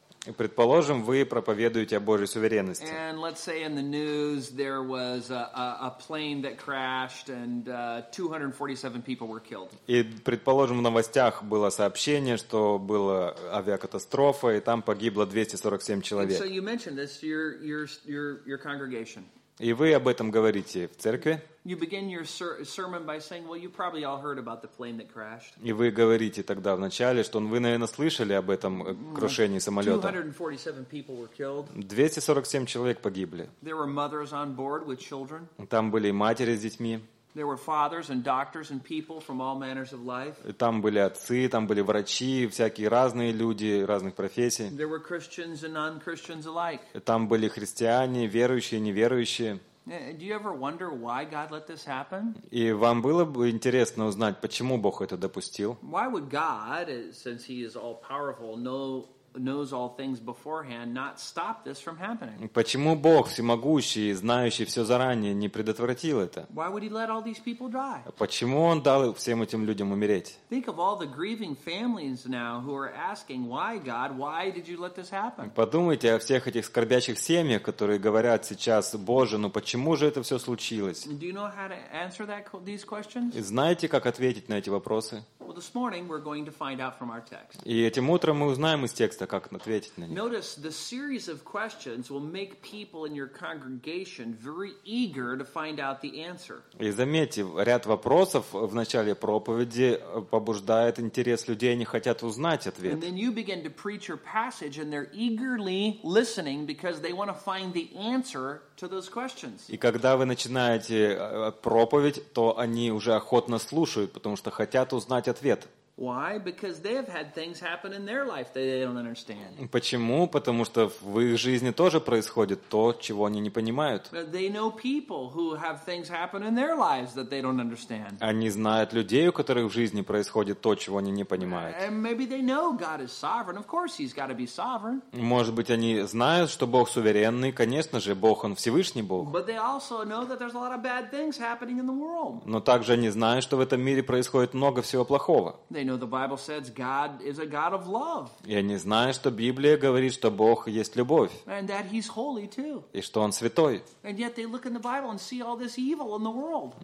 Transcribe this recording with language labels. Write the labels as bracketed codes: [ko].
[ru] И предположим, вы проповедуете о Божьей суверенности. [en] And let's say in the news there was a plane that crashed and 247 people were killed. [ru] И предположим, в новостях было сообщение, что была авиакатастрофа и там погибло 247 человек. [en] And so you mentioned this to your congregation. [ru] И вы об этом говорите в церкви. [en] You begin your sermon by saying, well, you probably all heard about the plane that crashed. [ru] И вы говорите тогда в начале, что вы, наверное, слышали об этом крушении самолета. [en] 247 people were killed. [ru] 247 человек погибли. [en] There were mothers on board with children. [ru] Там были матери с детьми. [en] There were fathers and doctors and people from all manners of life. [ru] Там были отцы, там были врачи, всякие разные люди, разных профессий. [en] There were Christians and non-Christians alike. [ru] Там были христиане, верующие, неверующие. [en] Do you ever wonder why God let this happen? [ru] И вам было бы интересно узнать, почему Бог это допустил? [en] Why would God, since He is all-powerful, knows all things beforehand, not stop this from happening? [ru] Почему Бог, всемогущий, знающий все заранее, не предотвратил это? [en] Why would He let all these people die? [ru] Почему Он дал всем этим людям умереть? [en] Think of all the grieving families now who are asking, why, God, why did you let this happen? [ru] Подумайте о всех этих скорбящих семьях, которые говорят сейчас, Боже, почему же это все случилось? [en] Do you know how to answer these questions? [ru] Знаете, как ответить на эти вопросы? [en] Well, this morning we're going to find out from our text. [ru] И этим утром мы узнаем из текста, как ответить на них. [en] Notice the series of questions will make people in your congregation very eager to find out the answer. [ru] И заметьте, ряд вопросов в начале проповеди побуждает интерес людей, они хотят узнать ответ. [en] And then you begin to preach your passage, and they're eagerly listening because they want to find the answer to those questions. [ru] И когда вы начинаете проповедь, то они уже охотно слушают, потому что хотят узнать ответ. [en] Why? Because they have had things happen in their life that they don't understand. [ru] Почему? Потому что в их жизни тоже происходит то, чего они не понимают. [en] They know people who have things happen in their lives that they don't understand. [ru] Они знают людей, у которых в жизни происходит то, чего они не понимают. [en] And maybe they know God is sovereign. Of course, He's got to be sovereign. [ru] Может быть, они знают, что Бог суверенный. Конечно же, Бог, Он Всевышний Бог. [en] But they also know that there's a lot of bad things happening in the world. [ru] Но также они знают, что в этом мире происходит много всего плохого. [en] They know the Bible says God is a God of love. [ru] И они знают, что Библия говорит, что Бог есть любовь. [en] And that He's holy too. [ru] И что Он святой. [en] And yet they look in the Bible and see all this evil in the world.